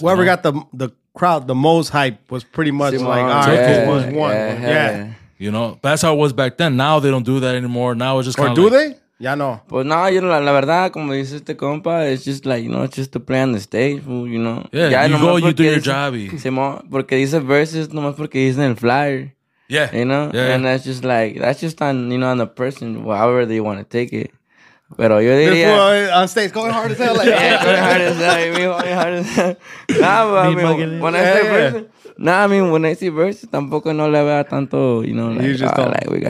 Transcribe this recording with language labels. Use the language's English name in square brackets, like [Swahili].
[English] Whoever got the crowd the most hype was pretty much Simón. Like, all right, this was one. Yeah. You know, but that's how it was back then. Now they don't do that anymore. Now it's just kind of do like, [Spanish] they? Ya no. [English] Pues no, you know, [Spanish] la verdad, como dice este compa, [English] it's just like, you know, it's just to play on the stage, you know. Yeah, ya, you go, you do your job. [Spanish] Porque dice verses, nomás porque dice en el flyer. [English] Yeah. You know? Yeah. And that's just like, that's just on, you know, on the person, however they want to take it. [Spanish] Pero yo diría... [English] Before, on stage, going hard as hell. Like, yeah, going hard as hell. Me going hard as hell. Nah, but me, I mean, when I say verses... Nah, I mean, when I see verses, [Spanish] tampoco no le veo tanto, [English] you know, like, you just oh, like we got